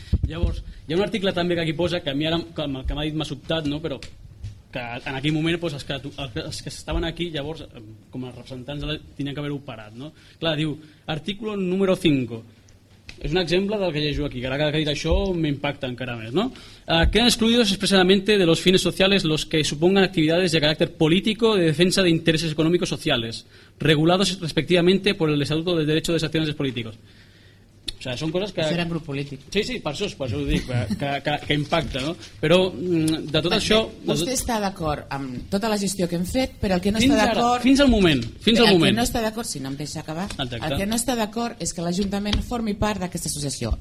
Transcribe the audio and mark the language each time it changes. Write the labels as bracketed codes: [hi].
[ca] Llavors, hi ha un article també que aquí posa que a mi ara el que m'ha dit m'ha sobtat, no, però que en aquell moment doncs, els que estaven aquí, llavors, com els representants tenien que haver-ho parat, no? Clar, diu, article número 5. [es] Es un ejemplo [ca] del que llegeixo aquí, que ara que ha dit això m'impacta encara més, no? [es] Queden excluidos expresamente de los fines sociales los que supongan actividades de carácter político de defensa de intereses económicos sociales, regulados respectivamente por el Estatuto de Derecho de Acciones Políticos. O sea, son cosas que [ca] era un grup polític. Sí, sí, per això ho dic, que impacta, no? Però de tot això, vostè està d'acord amb tota la gestió que hem fet, però el que no està d'acord fins al moment. El que no està d'acord, si no em deixa acabar. El que no està d'acord és que l'Ajuntament formi part d'aquesta associació.